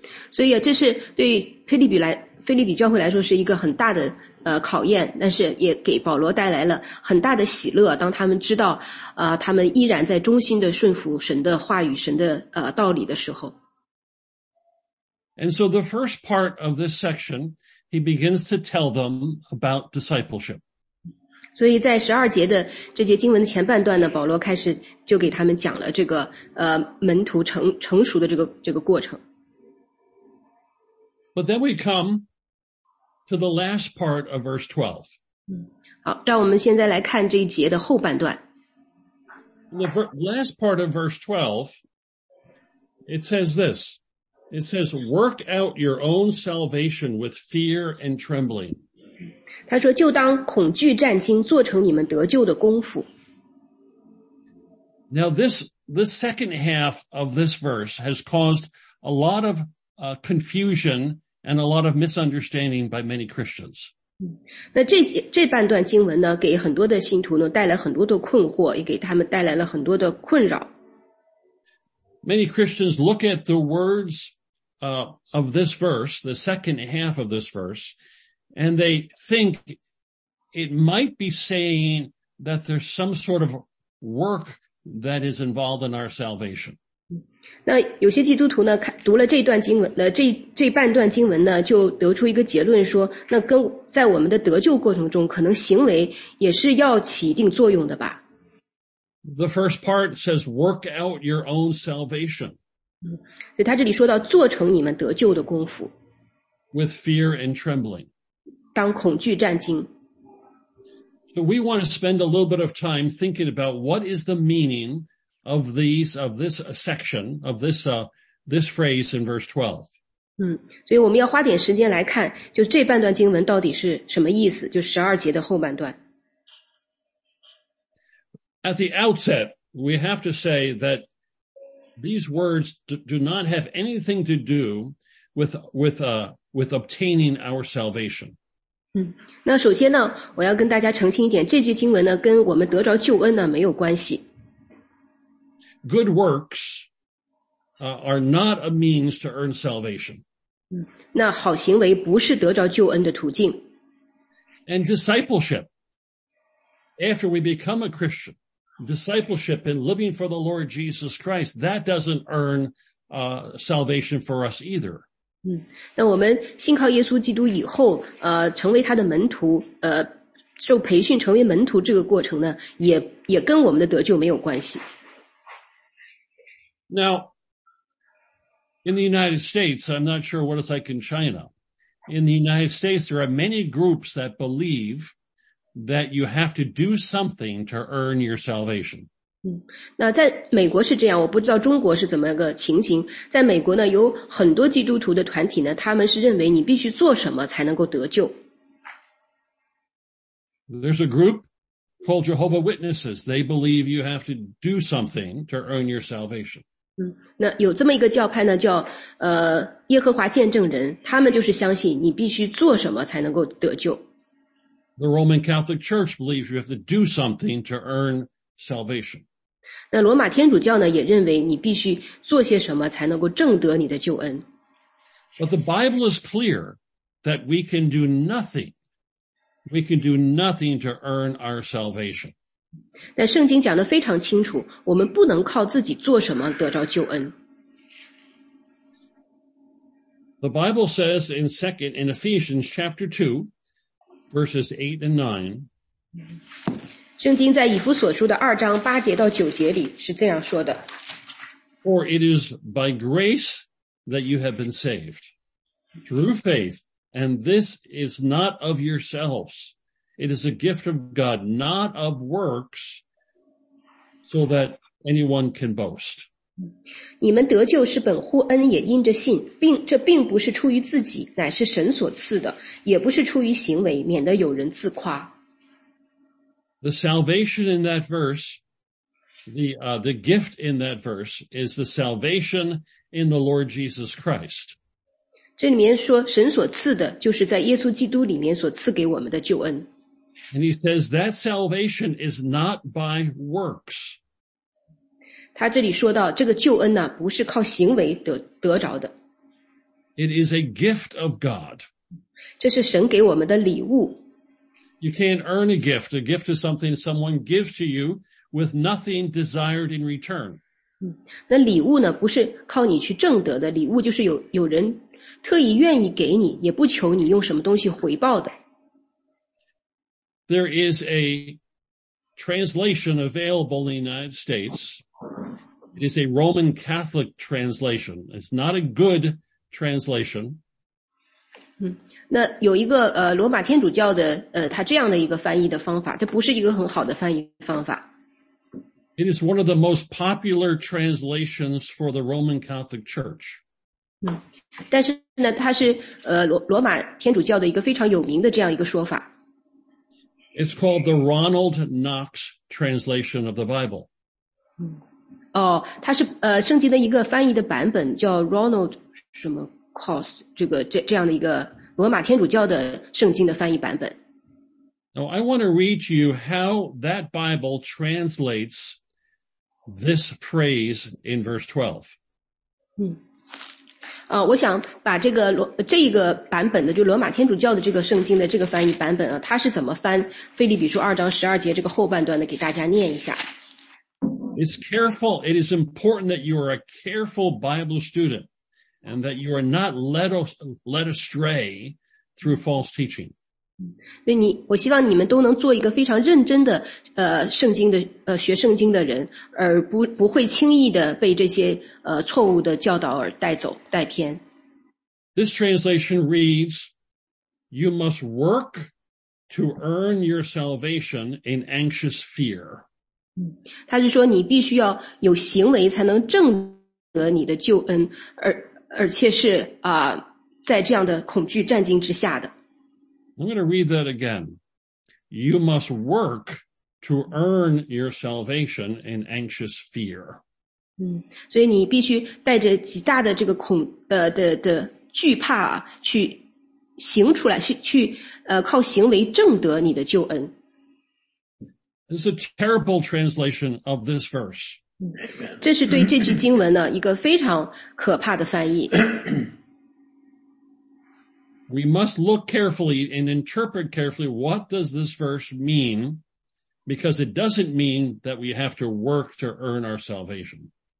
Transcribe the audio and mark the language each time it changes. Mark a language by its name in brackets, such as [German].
[Chinese] 所以这是对菲律比教会来说是一个很大的考验，但是也给保罗带来了很大的喜乐，当他们知道他们依然在忠心的顺服神的话语，神的道理的时候。 [English] And so the first part of this section, he begins to tell them about discipleship. [Chinese] 所以在12节的这节经文的前半段呢，保罗开始就给他们讲了这个门徒成熟的这个过程。 [English] But then we come to the last part of verse 12. [Chinese] 好，让我们现在来看这一节的后半段。 [English] The last part of verse 12, it says this. It says, work out your own salvation with fear and trembling. [Chinese] 他说就当恐惧战惊，做成你们得救的功夫。 [English] Now this second half of this verse has caused a lot of confusion and a lot of misunderstanding by many Christians. [Chinese] 那这半段经文呢，给很多的信徒呢带来很多的困惑，也给他们带来了很多的困扰。 [English] Many Christians look at the words of this verse, the second half of this verse, and they think it might be saying that there's some sort of work that is involved in our salvation. [Chinese] 那有些基督徒呢，读了这段经文，这半段经文呢，就得出一个结论说，那跟在我们的得救过程中，可能行为也是要起一定作用的吧。 [English] The first part says, work out your own salvation. [Chinese] 所以他这里说到做成你们得救的功夫。 [English] With fear and trembling. [Chinese] 当恐惧战惊。 [English] So we want to spend a little bit of time thinking about what is the meaning of these, of this section, of this, this phrase in verse 12. [Chinese] 所以我们要花点时间来看，就这半段经文到底是什么意思，就十二节的后半段。 [English] At the outset, we have to say that these words do not have anything to do with obtaining our salvation. [Chinese] 那首先呢，我要跟大家澄清一点，这句经文呢，跟我们得着救恩呢，没有关系。 [English] Good works, are not a means to earn salvation. [Chinese] 那好行为不是得着救恩的途径。 [English] And discipleship, after we become a Christian,discipleship and living for the Lord Jesus Christ, that doesn't earn, salvation for us either. [Chinese] 那我们信靠耶稣基督以后，成为他的门徒，受培训成为门徒这个过程呢，也跟我们的得救没有关系。 [English] Now, in the United States, I'm not sure what it's like in China. In the United States, there are many groups that believethat you have to do something to earn your salvation. [Chinese] 那在美国是这样，我不知道中国是怎么个情形。在美国呢，有很多基督徒的团体呢，他们是认为你必须做什么才能够得救。 [English] There's a group called Jehovah Witnesses. They believe you have to do something to earn your salvation. [Chinese] 那有这么一个教派呢，叫耶和华见证人，他们就是相信你必须做什么才能够得救。 [English] The Roman Catholic Church believes you have to do something to earn salvation. [Chinese] 那罗马天主教呢，也认为你必须做些什么才能够挣得你的救恩。 [English] But the Bible is clear that we can do nothing. We can do nothing to earn our salvation. [Chinese] 那圣经讲得非常清楚，我们不能靠自己做什么得着救恩。 [English] The Bible says in Ephesians chapter 2,Verses 8 and 9. [Chinese] 圣经在以弗所书的二章八节到九节里是这样说的。 [English] For it is by grace that you have been saved, through faith, and this is not of yourselves. It is a gift of God, not of works, so that anyone can boast. [Chinese] 你们得救是本乎恩，也因着信，并这并不是出于自己，乃是神所赐的，也不是出于行为，免得有人自夸。 [English] The salvation in that verse, the gift in that verse is the salvation in the Lord Jesus Christ. [Chinese] 这里面说神所赐的，就是在耶稣基督里面所赐给我们的救恩。 [English] And he says that salvation is not by works. [Chinese] 他这里说到这个救恩呢不是靠行为 得着的。 [English] It is a gift of God. [Chinese] 这是神给我们的礼物。 [English] You can't earn a gift. A gift is something someone gives to you with nothing desired in return. [Chinese] 那礼物呢不是靠你去挣得的，礼物就是 有人特意愿意给你，也不求你用什么东西回报的。 [English] There is a translation available in the United States. It is a Roman Catholic translation. It's not a good translation. [Chinese] 那有一个罗马天主教的他这样的一个翻译的方法，这不是一个很好的翻译方法。 [English] It is one of the most popular translations for the Roman Catholic Church. [Chinese] 但是呢，它是罗马天主教的一个非常有名的这样一个说法。 [English] It's called the Ronald Knox translation of the Bible. [Chinese] 哦，它是圣经的一个翻译的版本，叫 Ronald 什么 Cost 这样的一个罗马天主教的圣经的翻译版本。 [English] Now I want to read to you how that Bible translates this phrase in verse 12. [Chinese] 我想把这一个版本的，就罗马天主教的这个圣经的这个翻译版本啊，它是怎么翻腓立比书二章十二节这个后半段的，给大家念一下。 [English] It's careful. It is important that you are a careful Bible student and that you are not led astray through false teaching. [Chinese] 对你，我希望你们都能做一个非常认真的圣经的学圣经的人，而不会轻易的被这些错误的教导而带走带偏。 [English] This translation reads, "You must work to earn your salvation in anxious fear. [Chinese] 他是说你必须要有行为才能证得你的救恩，而且是啊，在这样的恐惧战惊之下的。 [English] I'm going to read that again. You must work to earn your salvation in anxious fear. [Chinese] 所以你必须带着极大的这个恐的惧怕啊，去行出来，去靠行为证得你的救恩。 [English] This is a terrible translation of this verse. [Chinese] 这是对这句经文呢一个非常可怕的翻译。 [English] We must look carefully and interpret carefully what does this verse mean, because it doesn't mean that we have to work to earn our salvation.